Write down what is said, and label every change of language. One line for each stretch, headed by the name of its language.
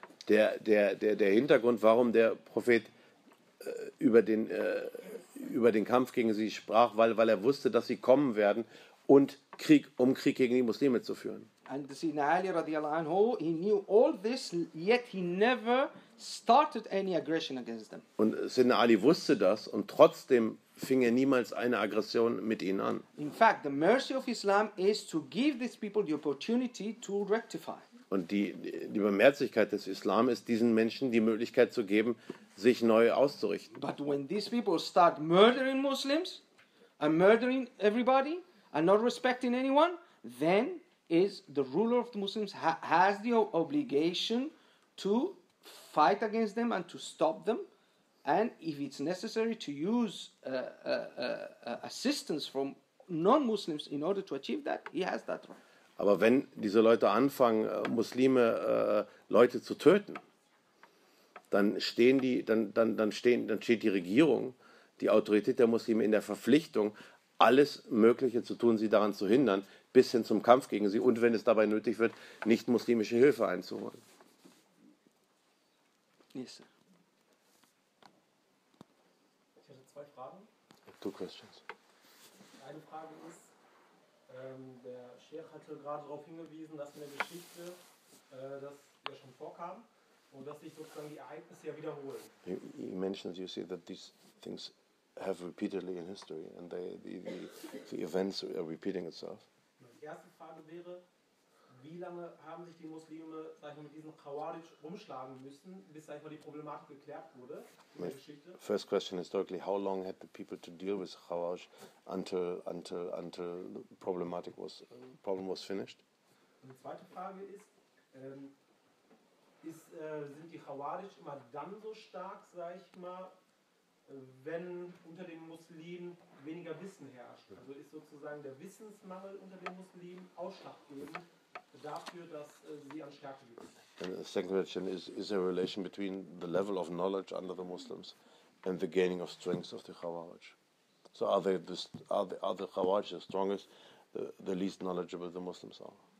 German: Der Hintergrund, warum der Prophet über den Kampf gegen sie sprach, weil er wusste, dass sie kommen werden und Krieg gegen die Muslime zu führen.
English: And the Sayyidina Ali radiallahu anhu, he knew all this, yet he never started any aggression against them.
German: Und Sayyidina Ali wusste das und trotzdem fing er niemals eine Aggression mit ihnen an.
English: In fact, the mercy of Islam is to give these people the opportunity to rectify.
German: Und die Barmherzigkeit des Islam ist, diesen Menschen die Möglichkeit zu geben, sich neu auszurichten.
English: But when these people start murdering Muslims and murdering everybody and not respecting anyone, then is the ruler of the Muslims has the obligation to fight against them and to stop them, and if it's necessary to use assistance from non-Muslims in order to achieve that, he has that right.
German: Aber wenn diese Leute anfangen, Muslime Leute zu töten, dann steht die Regierung, die Autorität der Muslime in der Verpflichtung, alles Mögliche zu tun, sie daran zu hindern, bis hin zum Kampf gegen sie und, wenn es dabei nötig wird, nicht muslimische Hilfe einzuholen.
English: Yes, sir.
German: Ich hätte zwei Fragen.
English: Two questions.
German: Eine Frage ist, der Sheikh hatte gerade darauf hingewiesen, dass in der Geschichte das ja schon vorkam und dass sich sozusagen die Ereignisse ja wiederholen.
English: He mentions, you see, that these things have repeatedly in history and the events are repeating itself.
German: Die erste Frage wäre, wie lange haben sich die Muslime, sag ich mal, mit diesem Khawarij rumschlagen müssen, bis, sag ich mal, die Problematik geklärt wurde?
English: My first question is directly, how long had the people to deal with Khawarij until the problem was finished?
German: Und die zweite Frage ist, sind die Khawarij immer dann so stark, sag ich mal, wenn unter den Muslimen weniger Wissen herrscht? Also ist sozusagen der Wissensmangel unter den Muslimen ausschlaggebend dafür, dass sie an Stärke gibt.
English: The second question is there a relation between the level of knowledge under the Muslims and the gaining of strength of the Khawarij? So are the Khawarij the strongest, the least knowledgeable the Muslims are?